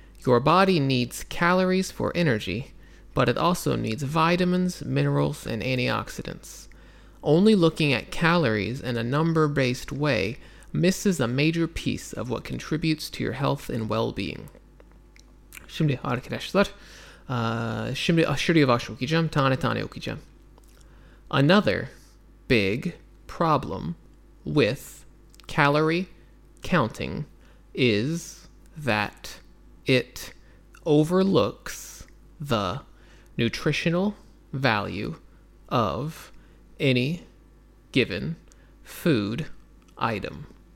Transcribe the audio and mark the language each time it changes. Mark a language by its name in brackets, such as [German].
[English] Your body needs calories for energy, but it also needs vitamins, minerals, and antioxidants. Only looking at calories in a number-based way misses a major piece of what contributes to your health and well-being. [Turkish] Şimdi arkadaşlar, şimdi aşırı yavaş okuyacağım, tane tane okuyacağım. [English] Another big problem with calorie counting is that it overlooks the nutritional value of any given food item.